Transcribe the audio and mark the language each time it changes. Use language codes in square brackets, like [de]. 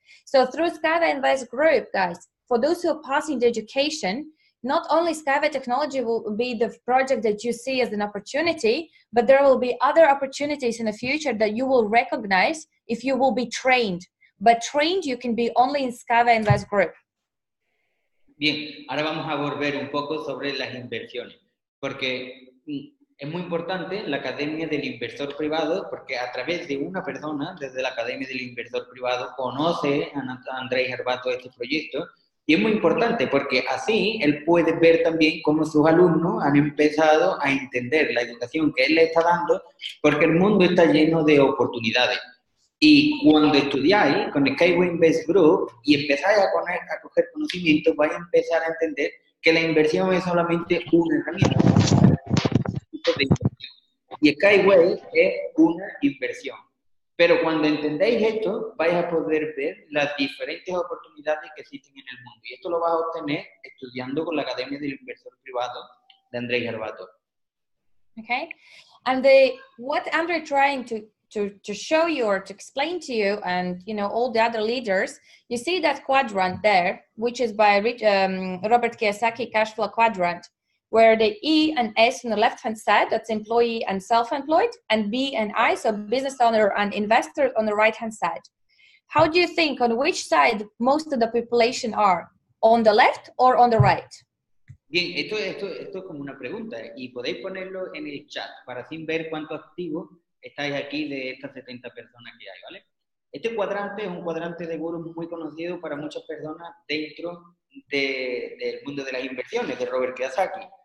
[en] So through SkyWay Invest Group, guys, for those who are passing the education, not only SkyWay technology will be the project that you see as an opportunity, but there will be other opportunities in the future that you will recognize if you will be trained. But trained, you can be only in SkyWay Invest Group. [es] Bien, ahora vamos a volver un poco sobre las inversiones. Porque es muy importante la Academia del Inversor Privado, porque a través de una persona, desde la Academia del Inversor Privado, conoce a Andrei Horvato este proyecto. Y es muy importante porque así él puede ver también cómo sus alumnos han empezado a entender la educación que él le está dando, porque el mundo está lleno de oportunidades. Y cuando estudiáis con SkyWay Invest Group y empezáis a coger conocimiento, vais a empezar a entender que la inversión es solamente una herramienta. Y SkyWay es una inversión. Pero cuando entendéis esto, vais a poder ver las diferentes oportunidades que existen en el mundo. Y esto lo vas a obtener estudiando con la Academia del Inversor Privado de Andrei Horvato. [en] Okay. And the, what Andrei trying to show you or to explain to you and, you know, all the other leaders, you see that quadrant there, which is by Robert Kiyosaki cash flow quadrant, where the E and S on the left-hand side, that's employee and self-employed, and B and I, so business owner and investor on the right-hand side. How do you think on which side most of the population are? On the left or on the right? [es] Bien, esto es como una pregunta, y podéis ponerlo en el chat para así ver cuánto activo estáis aquí de estas 70 personas que hay, ¿vale? Este cuadrante es un cuadrante de gurú muy conocido para muchas personas dentro del mundo de las inversiones, de Robert Kiyosaki.